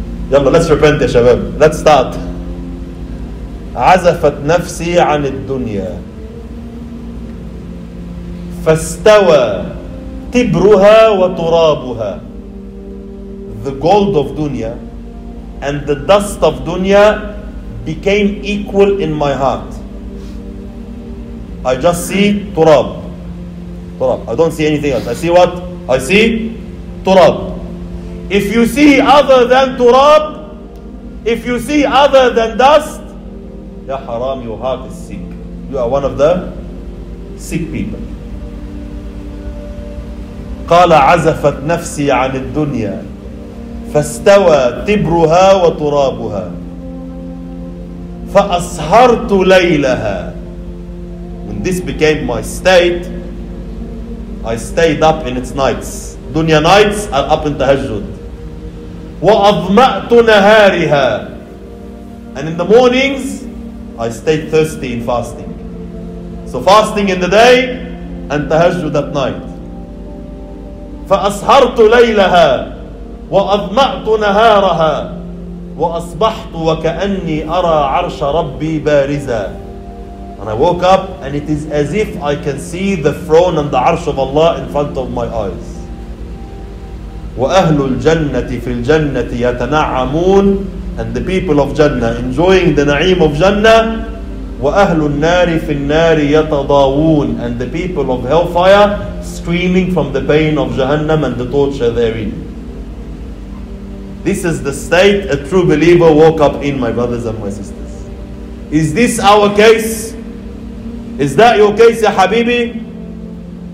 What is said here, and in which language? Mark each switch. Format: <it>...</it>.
<en>يلا let's repent</en> <ar>يا شباب,</ar> <en>let's start.</en> <ar>عزفت نفسي عن الدنيا فاستوى تبرها وترابها.</ar> <en>The gold of dunya and the dust of dunya became equal in my heart. I just see turab. Turab. I don't see anything else. I see what? I see turab. If you see other than turab, if you see other than dust,</en> <ar>ya haram,</ar> <en>your heart is sick. You are one of the sick people.</en> <ar>قال عزفت نفسي عن الدنيا فاستوى تبرها وترابها فأسهرت ليلها.</ar> <en>When this became my state, I stayed up in its nights. Dunya nights, I'm up in tahajjud.</en> <ar>وأظمأت نهارها.</ar> <en>And in the mornings, I stayed thirsty in fasting. So fasting in the day and tahajjud at night.</en> <ar>فأسهرت ليلها وأظمأت نهارها وأصبحت وكأني أرى عرش ربي بارزا.</ar> <en>And I woke up and it is as if I can see the throne and the arsh of Allah in front of my eyes.</en> <ar>وأهل الجنة في الجنة يتنعمون.</ar> <en>And the people of Jannah enjoying the na'im of Jannah.</en> <ar>وأهل النار في النار يتضاوون.</ar> <en>And the people of hellfire screaming from the pain of Jahannam and the torture therein. This is the state a true believer woke up in, my brothers and my sisters. Is this our case? Is that your case,</en> <ar>ya Habibi?</ar>